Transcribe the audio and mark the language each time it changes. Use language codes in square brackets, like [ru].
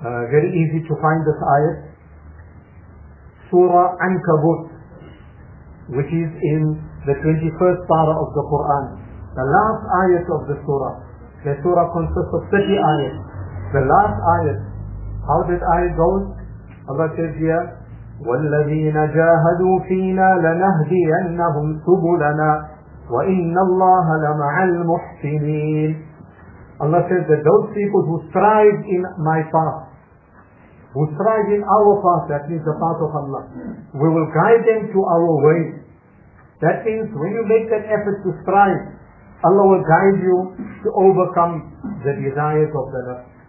[en] Very easy to find this ayat. Surah Ankabut, which is in the 21st para of the Quran. The last ayat of the surah. The surah consists of 30 ayat. The last ayat. How did ayat go? Allah says here, [ar] وَالَّذِينَ جَاهَدُوا فِينَا لَنَهْدِيَنَّهُمْ سُبُلَنَا وَإِنَّ اللَّهَ لَمَعَ الْمُحْسِنِينَ. [en] Allah says that those people who strive in my path, who strive in our path, that means the path of Allah, we will guide them to our way. That means when you make that effort to strive, Allah will guide you to overcome the desires of the lust.